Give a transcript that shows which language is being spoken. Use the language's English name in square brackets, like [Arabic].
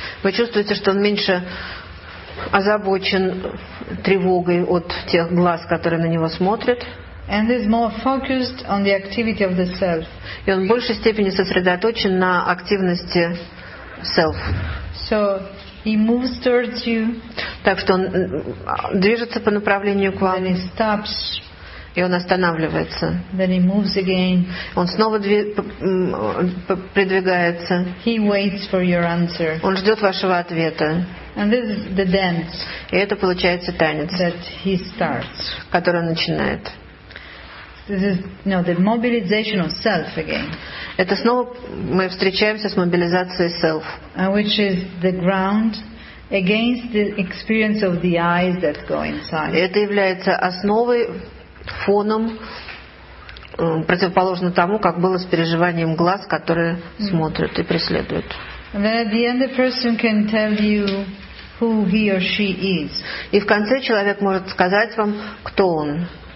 [Russian] Вы чувствуете, что он меньше озабочен тревогой от тех глаз, которые на него смотрят. [English] And is more focused on the activity of the self. [Russian] И он в большей степени сосредоточен на активности self. [English] So he moves towards you. [Russian] Так что он движется по направлению к вам. [English] And he stops. [Russian] И он останавливается. [English] Then he moves again. [Russian] Он снова придвигается. [English] He waits for your answer. [Russian] Он ждет вашего ответа. [English] And this is the dance. [Russian] И это получается танец, [English] that he starts. [Russian] Который он начинает. [English] This is, no, the mobilization of self again. [Russian] Это снова мы встречаемся с мобилизацией self. [English] And which is the ground against the experience of the eyes that go inside. [Russian] Это является основой, фоном, противоположно тому, как было с переживанием глаз, которые смотрят и преследуют. [English] And then at the end the person can tell you who he or she is. [Russian] И в конце человек может сказать вам, кто он.